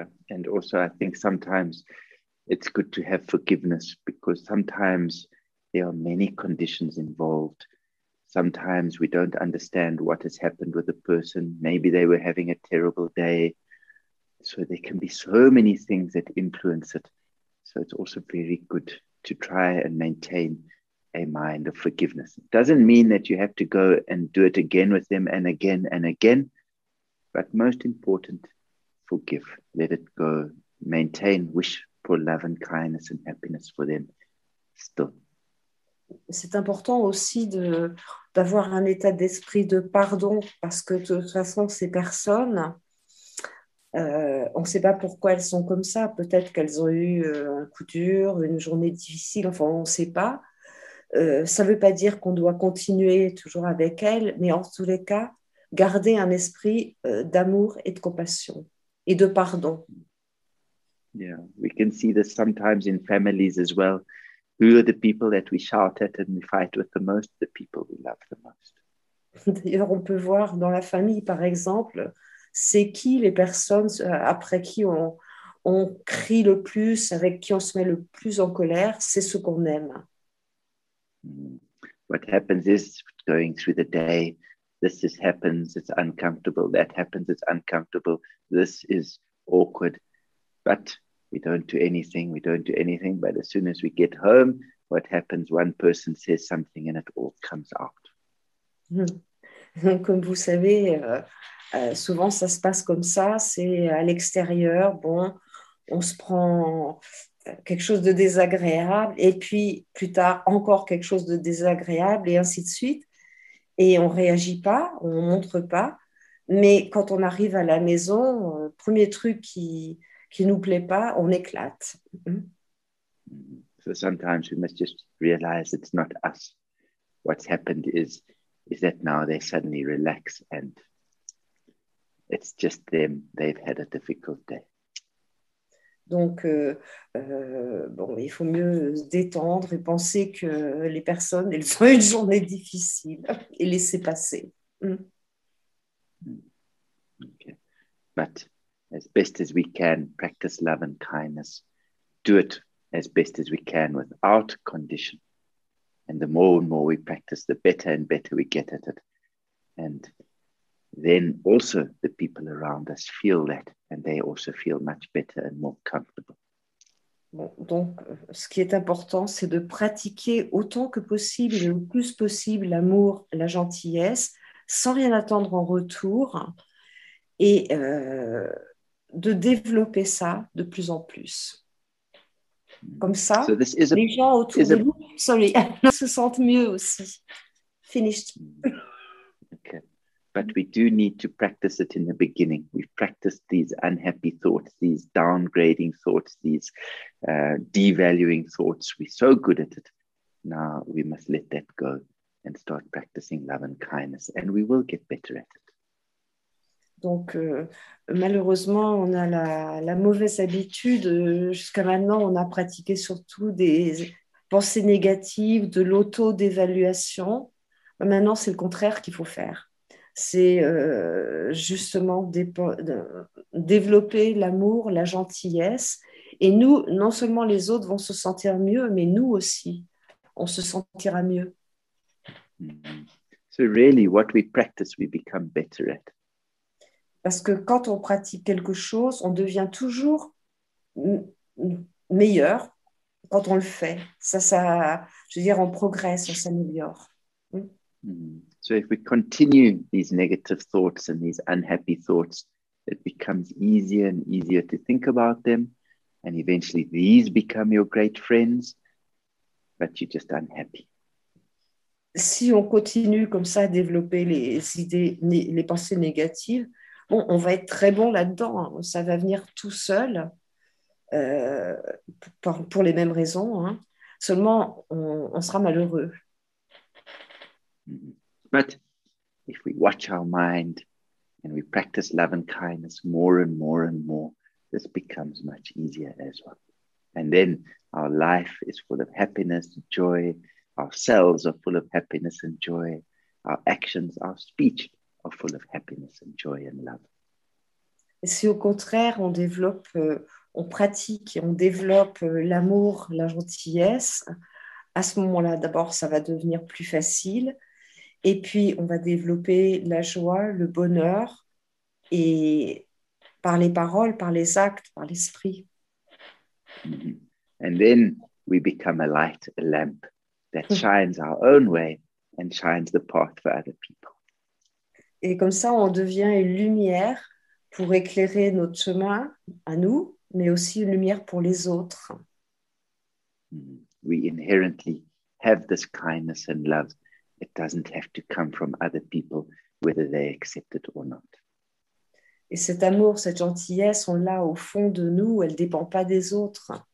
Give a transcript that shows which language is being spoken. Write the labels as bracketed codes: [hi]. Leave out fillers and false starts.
[en] And also I think sometimes it's good to have forgiveness because sometimes there are many conditions involved. Sometimes we don't understand what has happened with a person. Maybe they were having a terrible day. So there can be so many things that influence it. So it's also very good to try and maintain a mind of forgiveness. It doesn't mean that you have to go and do it again with them and again and again, but most important, forgive, let it go, maintain, wish for love and kindness and happiness for them still. [fr] C'est important aussi de d'avoir un état d'esprit de pardon parce que de toute façon, ces personnes, on ne sait pas pourquoi elles sont comme ça. Peut-être qu'elles ont eu un coup dur, une journée difficile, enfin, on ne sait pas. Ça ne veut pas dire qu'on doit continuer toujours avec elles, mais en tous les cas, garder un esprit d'amour et de compassion et de pardon. [en] We can see this sometimes in families as well. Who are the people that we shout at and we fight with the most? The people we love the most. [fr] D'ailleurs, on peut voir dans la famille, par exemple, c'est qui les personnes après qui on crie le plus, avec qui on se met le plus en colère, c'est ce qu'on aime. [en] What happens is going through the day, this is happens, it's uncomfortable, that happens, it's uncomfortable, this is awkward. But we don't do anything, we don't do anything. But as soon as we get home, what happens? One person says something and it all comes out. [fr] Donc, comme vous savez, souvent ça se passe comme ça, c'est à l'extérieur, bon, on se prend quelque chose de désagréable, et puis plus tard encore quelque chose de désagréable, et ainsi de suite, et on ne réagit pas, on ne montre pas, mais quand on arrive à la maison, premier truc qui nous plaît pas, on éclate. [en] So sometimes we must just realize it's not us. What's happened is that now they suddenly relax and it's just them. They've had a difficult day. [fr] Donc, bon, il faut mieux se détendre et penser que les personnes, elles ont une journée difficile et laisser passer. [en] But as best as we can, practice love and kindness. Do it as best as we can without condition. And more we practice, the better we get at it. And then also the people around us feel that, and they also feel much better and more comfortable. [fr] Bon, donc, ce qui est important, c'est de pratiquer autant que possible et le plus possible l'amour, la gentillesse, sans rien attendre en retour, et de développer ça de plus en plus. Comme ça, [en] so this is a, [fr] les gens autour de nous, sorry, se sentent mieux aussi. [en] Finished. Okay. But we do need to practice it in the beginning. We've practiced these unhappy thoughts, these downgrading thoughts, these devaluing thoughts. We're so good at it. Now we must let that go and start practicing love and kindness. And we will get better at it. [fr] Donc, malheureusement, on a la mauvaise habitude. Jusqu'à maintenant, on a pratiqué surtout des pensées négatives, de l'auto-dévaluation. Maintenant, c'est le contraire qu'il faut faire. C'est justement développer l'amour, la gentillesse. Et nous, non seulement les autres vont se sentir mieux, mais nous aussi, on se sentira mieux. [en] So really, what we practice, we become better at. [fr] Parce que quand on pratique quelque chose, on devient toujours meilleur quand on le fait. Ça, je veux dire, on progresse, on s'améliore. [en] So if we continue these negative thoughts and these unhappy thoughts, it becomes easier and easier to think about them. And eventually these become your great friends, but you're just unhappy. [fr] Si on continue comme ça à développer les idées, les pensées négatives, bon, on va être très bon là-dedans. Hein. Ça va venir tout seul pour les mêmes raisons. Hein. Seulement, on sera malheureux. [en] But if we watch our mind and we practice love and kindness more and more and more, this becomes much easier as well. And then our life is full of happiness, joy. Ourselves are full of happiness and joy. Our actions, our speech are full of happiness and joy and love. [fr] Si au contraire, on développe, on pratique et on développe l'amour, la gentillesse, à ce moment-là, d'abord, ça va devenir plus facile. Et puis, on va développer la joie, le bonheur, et par les paroles, par les actes, par l'esprit. [en] And then we become a light, a lamp that shines our own way and shines the path for other people. [fr] Et comme ça, on devient une lumière pour éclairer notre chemin à nous, mais aussi une lumière pour les autres. [en] We inherently have this kindness and love. It doesn't have to come from other people, whether they accept it or not. [fr] Et cet amour, cette gentillesse, on l'a au fond de nous, elle ne dépend pas des autres.